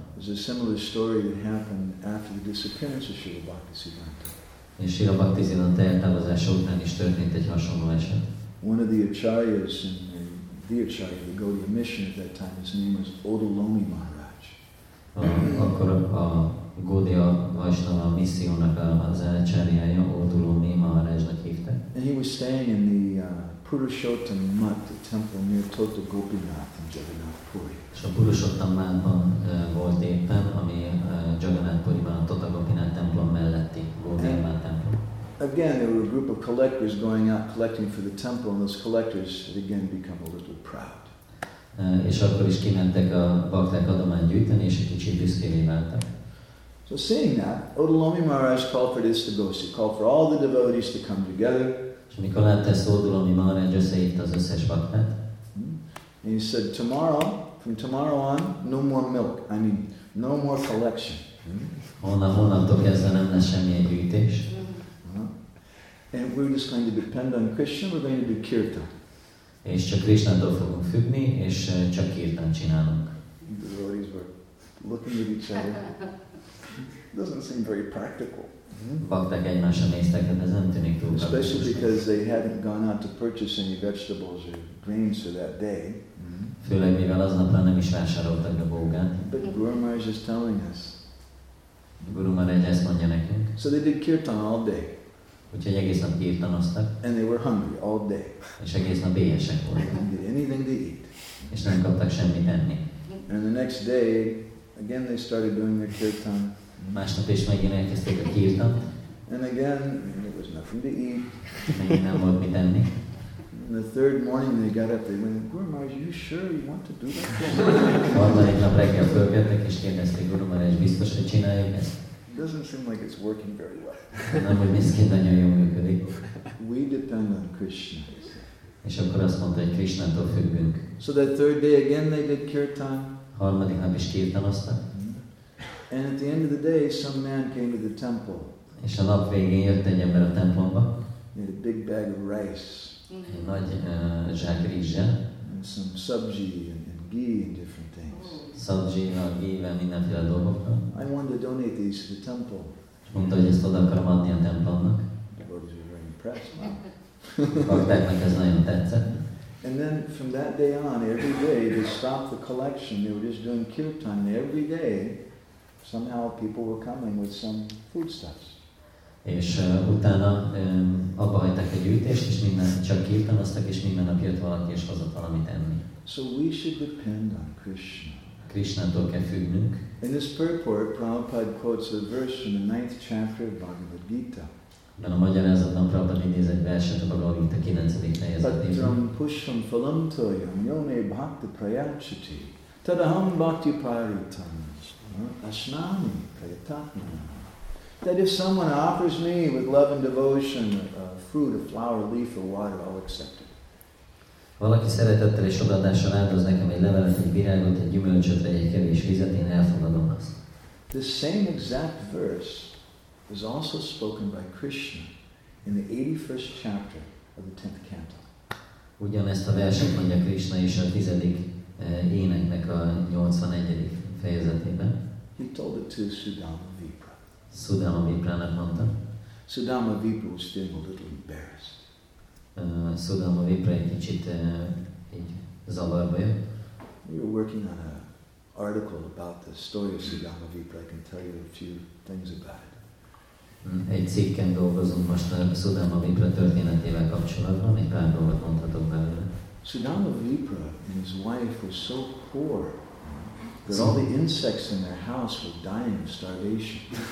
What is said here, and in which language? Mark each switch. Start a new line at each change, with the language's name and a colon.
English: There's a similar story that happened after the disappearance of Srila Bhaktisiddhanta.
Hungarian: És Srila Bhaktisiddhanta eltávozása után is történt egy hasonló eset.
English: One of the acharyas in the acharya, the Gaudiya mission at that time, his name was Odalomi Maharaj.
Hungarian: Akkor a Gaudiya Vaishnava missziónak az acharyája Odalomi Maharajnak hívta.
English: And he was staying in the Purushottam Math, the temple near Tota Gopinath in Jagannath Puri.
Hungarian: És a Purushottam Mathban volt éppen, ami Jagannath Puriban, a Tota Gopinath templom melletti Gaudiya Math templom.
English: Again, there were a group of collectors going out collecting for the temple, and those collectors had again become a little proud.
Hungarian: És akkor is kimentek a bakták adományt gyűjteni, és egy kicsit büszkévé váltak.
English: So seeing that, Odalomi Maharaj called for this devotee, called for all the devotees to come together.
Hungarian: És amikor látta ezt, Odalomi Maharaj összehívta az összes bakták.
English: And he said, tomorrow, from tomorrow on, no more milk, I mean, no more collection.
Hungarian: Honnantól kezdve nem lesz semmi gyűjtés.
English: And we're just going to depend on Krishna, we're going to do kirtan.
Hungarian: És csak Krishnától fogunk függni, és csak kirtan csinálunk.
English: The devotees were looking at each other. Doesn't seem very practical.
Hungarian: Bakták egymásra néztek, ez nem tűnik túl.
English: Especially because they hadn't gone out to purchase any vegetables or greens for that day.
Hungarian: Főleg mivel aznapra nem is vásároltak a bógát.
English: But Guru Maharaj is telling us.
Hungarian: Guru Maharaj ezt mondja nekünk.
English: So they did kirtan all day.
Hungarian: Úgyhogy egész nap kirtanoztak.
English: And they were hungry all day.
Hungarian: És egész nap éhesek voltak.
English: They didn't get anything to eat.
Hungarian: És nem kaptak semmit enni.
English: And the next day, again they started doing their kirtan.
Hungarian: Másnap is megint elkezdték a kirtan.
English: And again, there was nothing to eat.
Hungarian: Megint nem volt mit enni.
English: And the third morning they got up, they went, Guru Maharaj, are you sure you want to do that?
Hungarian: Harmadik nap reggel fölkeltek és kérdezték, Guru Maharaj, biztos, hogy csináljuk ezt?
English: Doesn't seem like it's working very well.
Hungarian: Nem, hogy miszként nagyon jól működik.
English: We depend on Krishna.
Hungarian: És akkor azt mondta, hogy Krishnától függünk.
English: So that third day again they did kirtan.
Hungarian: Harmadik nap is kirtanoztak.
English: And at the end of the day some man came to the temple.
Hungarian: És a nap végén jött egy ember a templomba.
English: He had a big bag of rice.
Hungarian: Egy nagy zsák rizse.
English: And some sabji and ghee and different things.
Hungarian: Sabji, ghee, vagy mindenféle dolgokkal.
English: I wanted to donate these to the temple.
Hungarian: Mondta, hogy ezt oda akarom adni a templomnak.
English: Devotees were very impressed.
Hungarian: Bakteknek ez nagyon tetszett.
English: And then from that day on, every day they stopped the collection. They were just doing kirtan. And every day, somehow people were coming with some foodstuffs.
Hungarian: És utána abba hagyták a gyűjtést, és minden csak kirtanoztak, és minden nap jött valaki, és hozott valamit enni.
English: So we should depend on Krishna.
Hungarian: Krishnától kell függnünk.
English: In this purport, Prabhupada quotes a verse from the 9th chapter of Bhagavad Gita.
Hungarian: De a magyarázatban Prabhupada idéz egy verset a Bhagavad Gita 9. fejezetében.
Sanskrit: Patram pushyam phalam toyam yone bhakti prayachati tadaham bhakti paritam ashnami prayatatmanam.
English: That if someone offers me with love and devotion a fruit, a flower, a leaf, or water, I'll accept it.
Hungarian: Valaki szeretettel és odaadással áldoz nekem egy levelet, egy virágot, egy gyümölcsöt, vagy egy kevés vizet, én elfogadom azt.
English: The same exact verse was also spoken by Krishna in the 81st chapter of the 10th canto.
Hungarian: Ugyanezt a verset mondja Krishna is a 10. éneknek a 81. fejezetében.
English: He told it to Sudama.
Hungarian: Sudama Vipra-nak mondta.
English: Sudama Vipra was feeling a little embarrassed.
Hungarian: Sudama Vipra egy kicsit így zavarba jött.
English: We were working on an article about the story of Sudama Vipra. I can tell you a few things about it.
Hungarian: Egy cikken dolgozunk most a Sudama Vipra történetével kapcsolatban. Egy pár dolgot mondhatok belőle.
English: Sudama Vipra and his wife were so poor that all the insects in their house were dying of starvation.